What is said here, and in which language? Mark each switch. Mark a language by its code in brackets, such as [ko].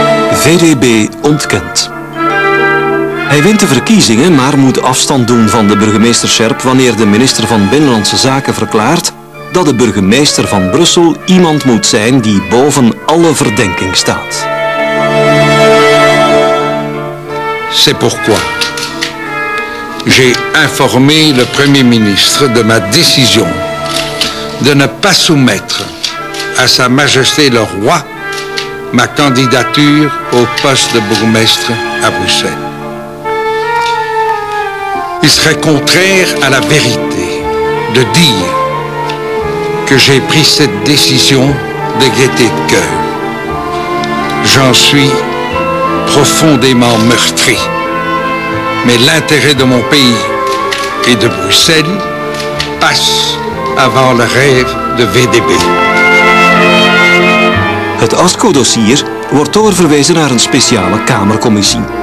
[nl] VDB ontkent. Hij wint de verkiezingen, maar moet afstand doen van de burgemeester Sjerp wanneer de minister van Binnenlandse Zaken verklaart dat de burgemeester van Brussel iemand moet zijn die boven alle verdenking staat. [fr] C'est pourquoi j'ai informé le premier ministre de ma décision de ne pas soumettre à sa majesté le roi ma candidature au poste de bourgmestre à Bruxelles. Il serait contraire à la vérité de dire que j'ai pris cette décision de gaieté de cœur. J'en suis profondément meurtri. Mais l'intérêt de mon pays et de Bruxelles passe avant le rêve de VDB. [nl] Het ASCO-dossier wordt doorverwezen naar een speciale Kamercommissie.